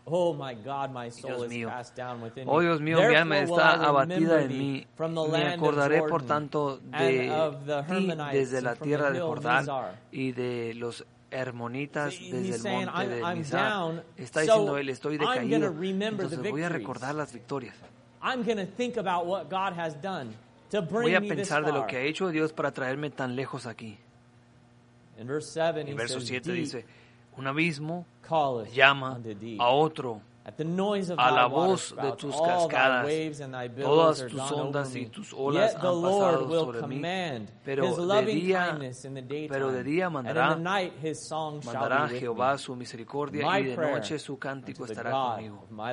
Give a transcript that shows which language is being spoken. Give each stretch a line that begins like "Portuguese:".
English: Oh my God, my soul is cast down within me.
Spanish: Oh Dios mío, mi alma está abatida en mí. Me acordaré por tanto de ti desde la tierra de Jordán y de los Hermonitas desde el monte de Mizar. Está diciendo él, estoy decaído. Entonces voy a recordar las victorias.
English: I'm going to think about what God has done to bring me this far.
Spanish: Voy a pensar de lo que ha hecho Dios para traerme tan lejos aquí.
English: In verse 7,
Spanish: en verso 7 dice, un abismo llama a otro, a la voz de tus cascadas, todas tus ondas y tus olas han pasado sobre mí, pero de día mandará Jehová su misericordia y de noche su cántico estará conmigo.